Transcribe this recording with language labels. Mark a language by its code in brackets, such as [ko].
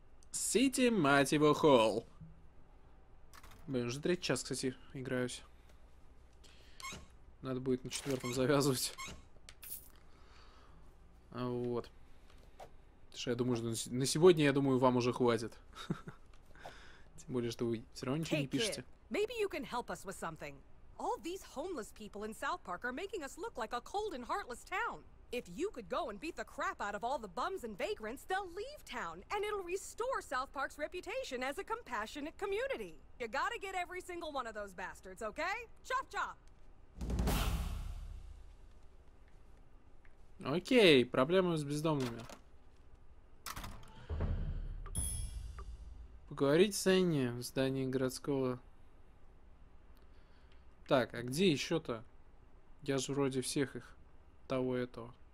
[ru] Сити, мать его, холл. Блин, уже третий час, кстати, играюсь. Надо будет на четвертом завязывать. Вот. Потому что я думаю, что на сегодня, я думаю, вам уже хватит. Тем более, что вы все равно ничего не пишете. [en] Maybe you can help us with something. All these homeless people in South Park are making us look like a cold and heartless town. If you could go and beat the crap out of all the bums and vagrants, they'll leave town, and it'll restore South Park's reputation as a compassionate community. You gotta get every single one of those bastards, okay? Chop chop. [ru] Окей, проблемы с бездомными. Поговорить с Энни в здании городского. Так, а где еще-то? Я же вроде всех их того и этого.